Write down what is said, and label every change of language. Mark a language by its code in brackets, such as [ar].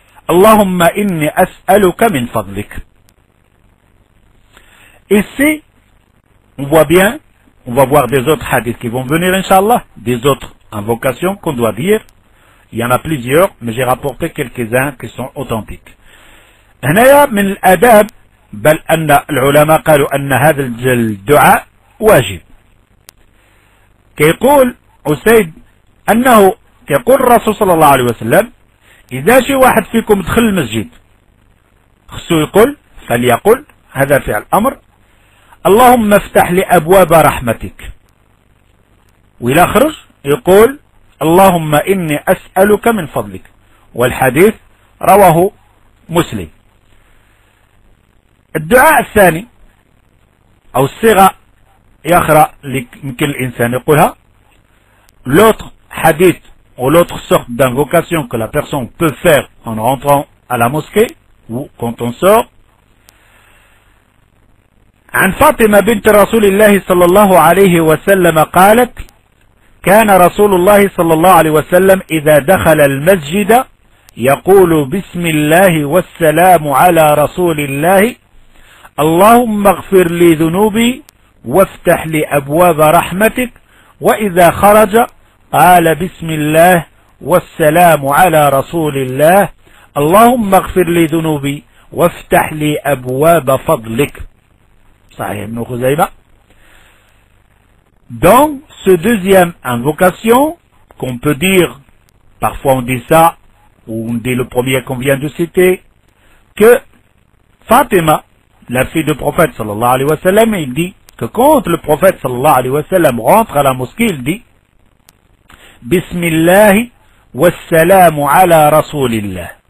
[ar] اللَّهُمَّ إِنِّي أَسْأَلُكَ مِنْ فَضْلِكَ [fr] Ici, on voit bien, on va voir des autres hadiths qui vont venir, inshallah, des autres invocations qu'on doit dire. Il y en a plusieurs, mais j'ai rapporté quelques-uns qui sont authentiques. [ar] هنايا من الأداب بل أن العلماء قالوا أن هذا الدعاء واجب. كيقول أسيد أنه كيقول الرسول صلى الله عليه وسلم إذا شي واحد فيكم دخل المسجد خصو يقول فليقول، هذا فعل أمر، اللهم افتح لي أبواب رحمتك، وإلى خرج يقول اللهم إني أسألك من فضلك. والحديث رواه مسلم. الدعاء الثاني أو الصيغة أخرى يمكن الإنسان يقولها، [fr] l'autre hadith ou l'autre sorte d'invocation que la personne peut faire en rentrant à la mosquée ou quand on sort. [ar] عن فاطمة بنت رسول الله صلى الله عليه وسلم قالت كان رسول الله صلى الله عليه وسلم إذا دخل المسجد يقول بسم الله والسلام على رسول الله اللهم اغفر لي ذنوبي وافتح لي أبواب رحمتك، وإذا خرج قال بسم الله والسلام على رسول الله اللهم اغفر لي ذنوبي وافتح لي أبواب فضلك. صحيح ابن خزيمة. [fr] Donc ce deuxième invocation qu'on peut dire, parfois on dit ça ou on dit le premier qu'on vient de citer, que Fatima, la fille du prophète sallallahu alayhi wa sallam, il dit que quand le prophète sallallahu alayhi wa sallam rentre à la mosquée, il dit [ar] Bismillahi wassalamu ala rasulillah.